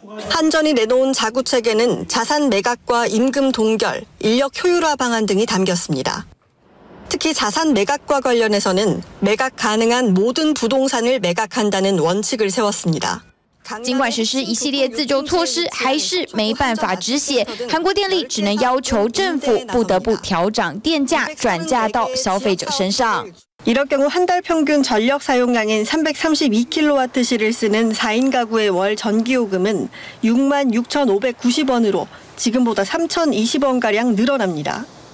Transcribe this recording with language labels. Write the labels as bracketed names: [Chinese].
[Korean] 한전이 내놓은 자구책에는 자산 매각과 임금 동결, 인력 효율화 방안 등이 담겼습니다. 특히 자산 매각과 관련해서는 매각 가능한 모든 부동산을 매각한다는 원칙을 세웠습니다. [Chinese] 尽管实施一系列自救措施，还是没办法止血。韩国电力只能要求政府不得不调涨电价，转嫁到消费者身上。 [Korean] 이럴 경우 한달 평균 전력 사용량인 332kWh를 쓰는 4인 가구의 월 전기요금은 66,590원으로 지금보다 3,020원가량 늘어납니다.